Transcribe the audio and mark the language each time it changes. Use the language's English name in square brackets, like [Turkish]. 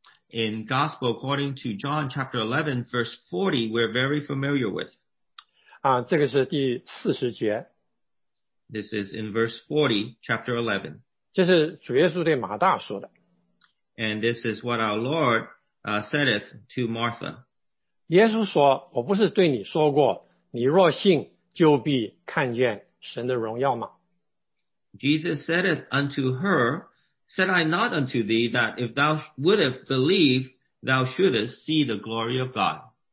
[English] In Gospel according to John chapter 11 verse 40, we're very familiar with. [Chinese] 这个是第四十节。 [English] This is in verse 40, chapter 11. [Chinese] 这是主耶稣对马大说的。 [English] And this is what our Lord saideth to Martha. [Chinese] 耶稣说，我不是对你说过，你若信，就必看见神的荣耀吗？ [English] Jesus saideth unto her, said I not unto thee that if thou wouldest believe, thou shouldest see the glory of God.